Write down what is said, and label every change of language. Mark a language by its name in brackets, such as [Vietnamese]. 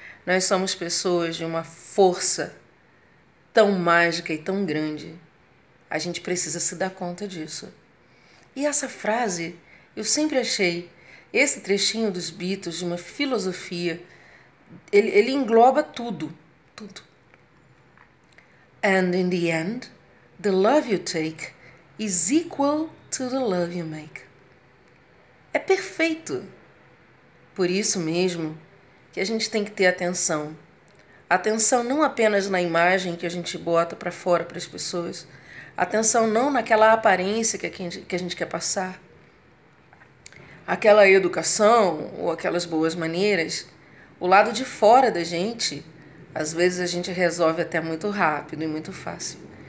[Portuguese] Nós somos pessoas de uma força tão mágica e tão grande. A gente precisa se dar conta disso. E essa frase, eu sempre achei esse trechinho dos Beatles, de uma filosofia, ele engloba tudo, tudo. [English] And in the end, the love you take is equal to the love you make. [Portuguese] É perfeito. Por isso mesmo que a gente tem que ter atenção. Atenção não apenas na imagem que a gente bota para fora para as pessoas. Atenção não naquela aparência que a gente quer passar. Aquela educação ou aquelas boas maneiras, o lado de fora da gente, às vezes a gente resolve até muito rápido e muito fácil.